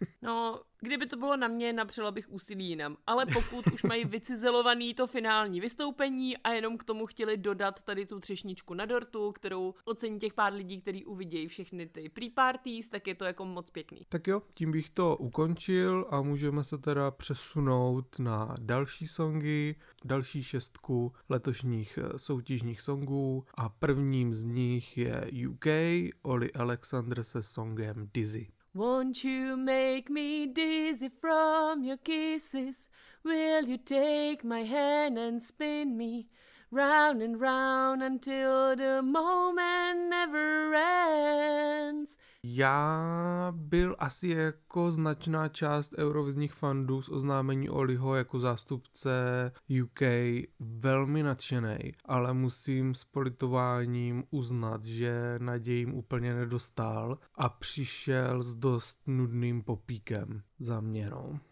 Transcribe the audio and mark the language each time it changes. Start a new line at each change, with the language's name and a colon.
Czech: No, kdyby to bylo na mě, napřela bych úsilí jinam. Ale pokud už mají vycizelovaný to finální vystoupení a jenom k tomu chtěli dodat tady tu třešničku na dortu, kterou ocení těch pár lidí, kteří uvidějí všechny ty pre-parties, tak je to jako moc pěkný. Tak jo, tím bych to ukončil a můžeme se teda přesunout na další songy, další 6 letošních soutěžních songů a prvním z nich je UK, Oli Alexander se songem Dizzy.
English: Won't you make me dizzy from your kisses? Will you take my hand and spin me round and round until the moment never ends?
Czech: Já byl asi jako značná část eurovizních fandů z oznámení Oliho jako zástupce UK velmi nadšenej, ale musím s politováním uznat, že nadějím úplně nedostal a přišel s dost nudným popíkem za měnou.